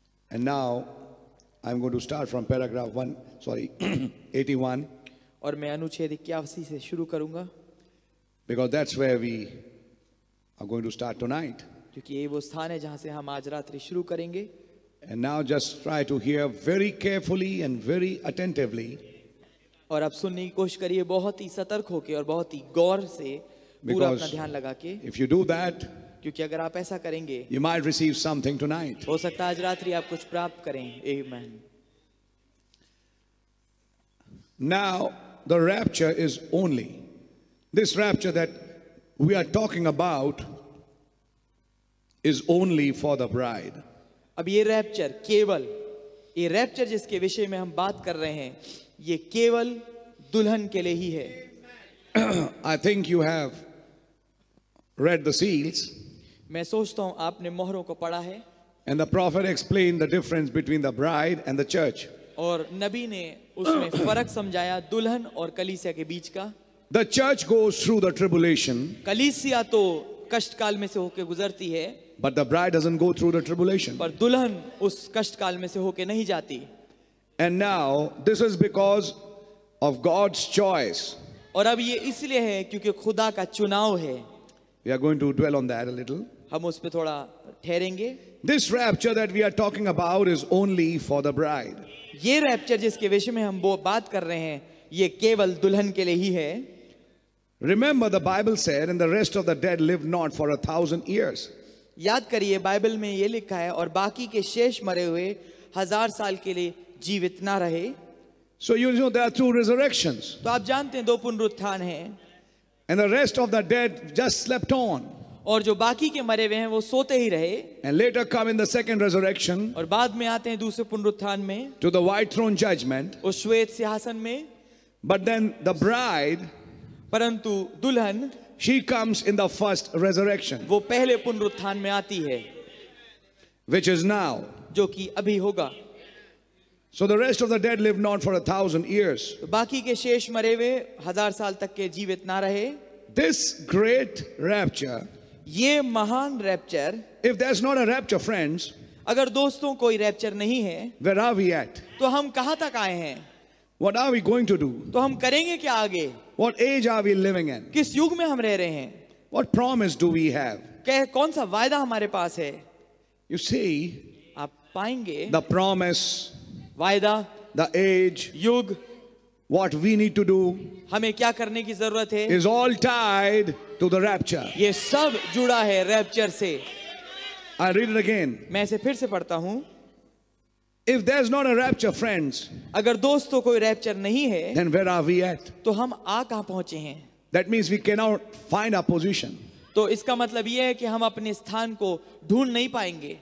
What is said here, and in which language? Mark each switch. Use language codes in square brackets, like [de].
[en] And now I'm going to start from paragraph 81. [hi] और मैं अनुच्छेद 81 से शुरू करूंगा. [en] Because that's where we are going to start tonight. [hi] क्योंकि ये वो स्थान है जहां से हम आज रात्रि शुरू करेंगे. [en] And now just try to hear very carefully and very attentively. [hi] और अब सुनने की कोशिश करिए बहुत ही सतर्क होके और बहुत ही गौर से पूरा अपना ध्यान लगा के. [en] If you do that, [hi] क्योंकि अगर आप ऐसा करेंगे, [en] you might receive something tonight. [hi] हो सकता आज रात्रि आप कुछ प्राप्त करें. [en] Amen. Now the rapture is only this rapture that we are talking about is only for the bride. [hi] अब ये रैप्चर केवल ये रैप्चर जिसके विषय में हम बात कर रहे हैं ये केवल दुल्हन के लिए ही है. [en] I think you have read the seals. [hi] मैं सोचता हूँ आपने मोहरों को पढ़ा है. [en] And the prophet explained the difference between the bride and the church. [hi] और नबी ने उसमें फर्क समझाया दुल्हन और कलीसिया के बीच का. [en] The church goes through the tribulation. [hi] कलीसिया तो कष्ट काल में से होके गुजरती है. [en] But the bride doesn't go through the tribulation. [hi] पर दुल्हन उस कष्ट काल में से होके नहीं जाती. [en] And now this is because of God's choice. [hi] और अब ये इसलिए है क्योंकि खुदा का चुनाव है. [en] We are going to dwell on that a little. [hi] हम उस पे थोड़ा ठहरेंगे. [en] This rapture that we are talking about is only for the bride. [hi] ये रैप्चर जिसके विषय में हम बात कर रहे हैं ये केवल दुल्हन के लिए ही है. [en] Remember the Bible said and the rest of the dead live not for 1,000 years. [hi] याद करिए बाइबल में ये लिखा है और बाकी के शेष मरे हुए 1,000 साल के लिए जीवित ना रहे. [en] So you know there are 2 resurrections. [hi] तो आप जानते हैं दो पुनरुत्थान हैं. [en] And the rest of the dead just slept on. [hi] और जो बाकी के मरे हुए हैं वो सोते ही रहे. [en] And later come in the second resurrection. [hi] और बाद में आते हैं दूसरे पुनरुत्थान में. [en] To the white throne judgment. [hi] उस श्वेत सिंहासन में. [en] But then the bride. [hi] परंतु दुल्हन. [en] She comes in the first resurrection. [hi] वो पहले पुनरुत्थान में आती है. [en] Which is now. [hi] जो कि अभी होगा. [en] So the rest of the dead live not for 1,000 years. [hi] बाकी के शेष मरे हुए 1,000 साल तक के जीवित ना रहे. [en] This great rapture. [hi] ये महान rapture. [en] If there's not a rapture, friends. [hi] अगर दोस्तों कोई रैप्चर नहीं है. [en] Where are we at? [hi] तो हम कहाँ तक आए हैं? [en] What are we going to do? [hi] तो हम करेंगे क्या आगे? [en] What age are we living in? [hi] किस युग में हम रह रहे हैं? [en] What promise do we have? [hi] क्या कौन सा वायदा हमारे पास है? [en] You see. [hi] आप पाएंगे. [en] The promise. [hi] वायदा. [en] The age. [hi] युग. [en] What we need to do. [hi] हमें क्या करने की जरूरत है? [en] Is all tied to the rapture. [hi] ये सब जुड़ा है रैप्चर से. [en] I read it again. [hi] मैं इसे फिर से पढ़ता हूँ. [en] If there's not a rapture, friends. [hi] अगर दोस्तों कोई रैप्चर नहीं है. [en] Then where are we at? [hi] तो हम आ कहाँ पहुँचे हैं? [en] That means we cannot find our position. [hi] तो इसका मतलब ये है कि हम अपने स्थान को ढूंढ नहीं पाएंगे.